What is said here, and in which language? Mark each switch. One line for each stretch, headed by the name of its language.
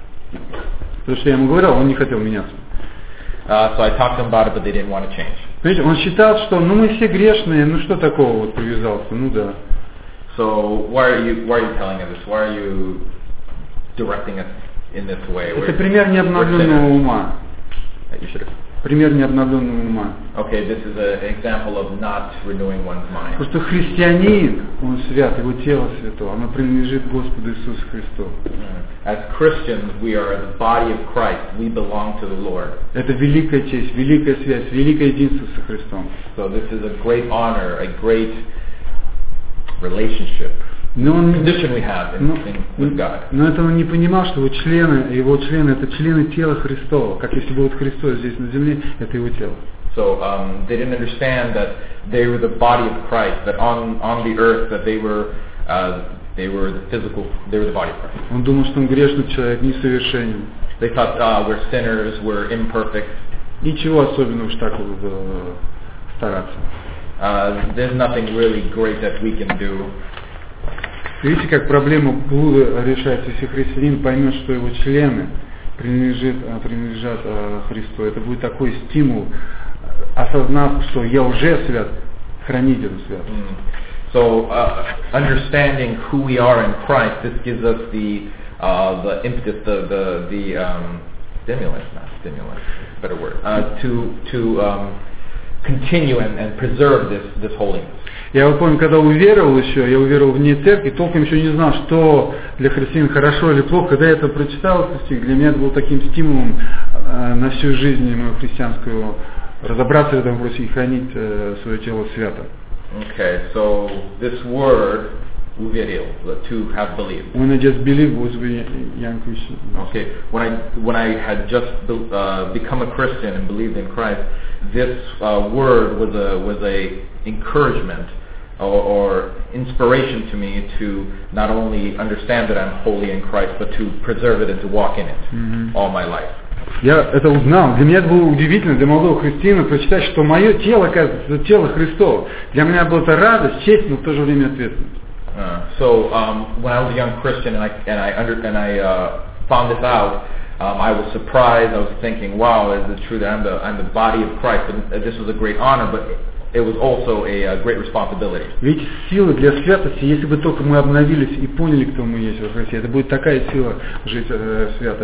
Russian: Потому что я ему говорил, он не хотел меняться.
English: So I talked to him about it, but they didn't want to change.
Russian: Видите, он считал, что ну мы все грешные, ну что такого вот привязался, ну да.
English: So why are you telling us this? Why are you directing us in this way?
Russian: Это where, пример необновленного ума.
English: You should have.
Russian: Пример необновленного ума.
English: Okay, this is an example of not renewing one's mind.
Russian: Потому что христианин, он свят, его тело свято, оно принадлежит Господу Иисусу Христу.
English: As Christians, we are the body of Christ. We belong to the Lord.
Russian: Это великая честь, великая связь, великое единство со Христом.
English: So this is a great honor, a great relationship.
Russian: Но это он не понимал, что его члены это члены тела Христова. Как если бы вот Христос здесь на земле, это его тело.
English: So they didn't understand that they were the body of Christ, that on the earth that they were They were the physical. They were the body part.
Russian: Он думал, что он грешный человек, несовершенен.
English: They thought we're sinners, we're imperfect.
Russian: Ничего особенного, что так было стараться.
English: There's nothing really great that we can do.
Russian: Видите, как проблема блуда решается, если христианин поймет, что его члены принадлежат Христу. Это будет такой стимул, осознав, что я уже свят, хранить эту святость. Mm.
English: So, understanding who we are in Christ, this gives us the impetus, the stimulus, not stimulus, better word, to continue and preserve this holiness.
Russian: Я вот помню, когда уверовал вне церкви, толком еще не знал, что для христиан хорошо или плохо. Когда я это прочитал, для меня это было таким стимулом на всю жизнь мою христианскую разобраться в этом вопросе и хранить свое тело свято.
English: Okay, so this word уверил, to have believed. When I just believed, was a young Christian. Okay, when I had just become a Christian and believed in Christ, this word was a encouragement or inspiration to me to not only understand that I'm holy in Christ, but to preserve it and to walk in it all my life.
Russian: Я это узнал. Для меня это было удивительно, для молодого христианина прочитать, что мое тело, оказывается, тело Христово. Для меня была это радость, честь, но в то же время ответственность.
English: When I was a young Christian and I found this out, I was surprised. I was thinking, wow, is it true that I'm the body of Christ? And this was a great honor, but it was also a great responsibility.
Russian: Ведь сила для святости, если бы только мы обновились и поняли, кто мы есть во Христе, это будет такая сила жить свято.